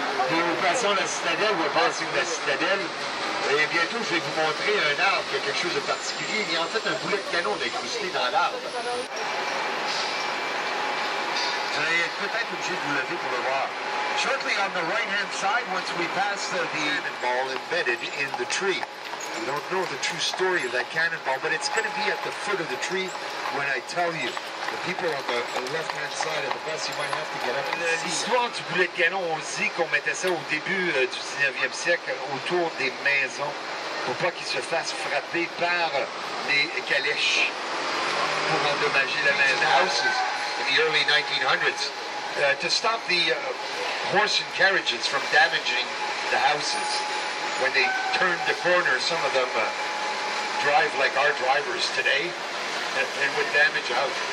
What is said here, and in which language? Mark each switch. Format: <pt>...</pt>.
<fr>Nous passons la citadelle, vous passez la citadelle, et bientôt je vais vous montrer un arbre qui a quelque chose de particulier. Il y a en fait un boulet de canon incrusté dans l'arbre. Vous allez être peut-être obligé de vous lever pour le voir.</fr> <en>Shortly on the right-hand side, once we pass the cannonball embedded in the tree. We don't know the true story of that cannonball, but it's going to be at the foot of the tree when I tell you. The people on the left-hand side of the bus, you might have to get up and see.</en> <fr>L'histoire du boulet de canon, on dit qu'on mettait ça au début du 19e siècle autour des maisons pour pas qu'ils se fassent frapper par les calèches pour endommager la maison.</fr> <en>The houses in the early 1900s to stop the horse and carriages from damaging the houses. When they turn the corner, some of them drive like our drivers today, and would damage a house.</en>